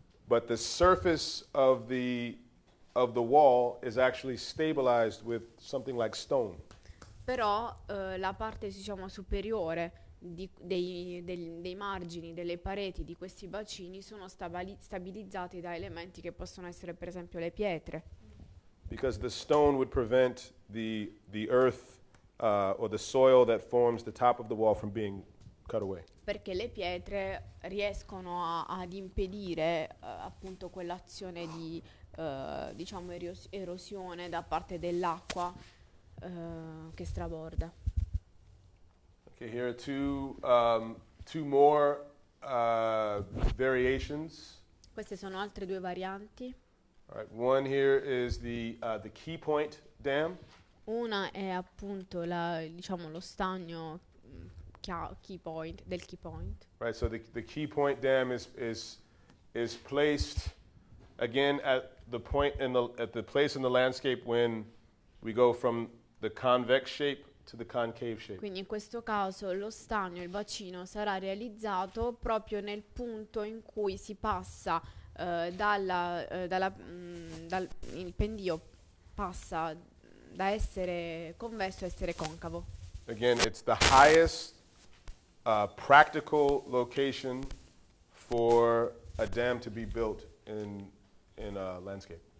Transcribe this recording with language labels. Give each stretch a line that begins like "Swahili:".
English: But the surface of the wall is actually stabilized with something like stone.
Italian: Però la parte diciamo superiore dei margini delle pareti di questi bacini sono stabilizzati da elementi che possono essere per esempio le pietre.
English: Because the stone would prevent the earth or the soil that forms the top of the wall from being cut away.
Italian: Perché le pietre riescono ad impedire appunto quell'azione di diciamo erosione da parte dell'acqua che straborda.
English: Okay, here are two more variations.
Italian: Queste sono altre due varianti.
English: All right, one here is the key point dam.
Italian: Una è appunto la, diciamo, lo stagno key point, del key point.
English: Right, so the key point dam is placed again at the point in the at the place in the landscape when we go from the convex shape to the concave shape.
Italian: Quindi in questo caso lo stagno, il bacino sarà realizzato proprio nel punto in cui si passa il pendio passa da essere convesso a essere concavo.
English: Again, it's the highest practical location for a dam to be built in a landscape.